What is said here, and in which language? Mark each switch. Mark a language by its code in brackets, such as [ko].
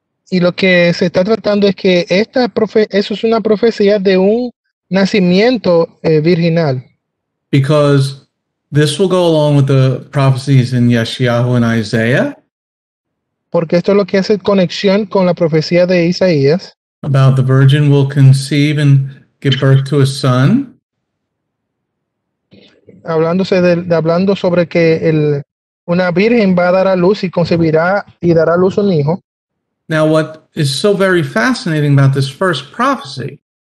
[es] Y lo que se está tratando es que eso es una profecía de un nacimiento virginal. [en] Because this will go along with the prophecies in Yeshayahu and Isaiah. [es] Porque esto es lo que hace conexión con la profecía de Isaías. [en] About the virgin will conceive and give birth to a son. [es] Hablando sobre que una virgen va a dar a luz y concebirá y dará a luz un hijo. [en] Now, what is so very fascinating about this first prophecy?